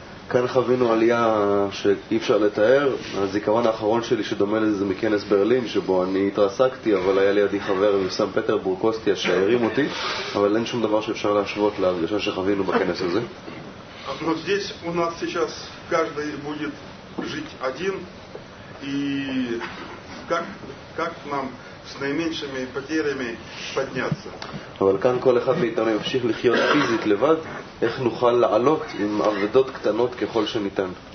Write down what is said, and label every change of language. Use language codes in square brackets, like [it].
[he] כאן חווינו עלייה שאי אפשר לתאר. הזיכרון האחרון שלי שדומה לזה מכנס ברלין שבו אני התרסקתי, אבל היה לידי חבר מסן פטרבורג, קוסטיה, שהערים אותי, אבל אין שום דבר שאפשר להשוות להרגשה שחווינו בכנס הזה. [ru] Но здесь у нас сейчас каждый будет жить один, и как нам с наименьшими потерями подняться. [he] אבל כאן כל אחד מאיתנו ימשיך לחיות פיזית לבד. איך נוכל לעלות עם עבדות קטנות ככל שניתן?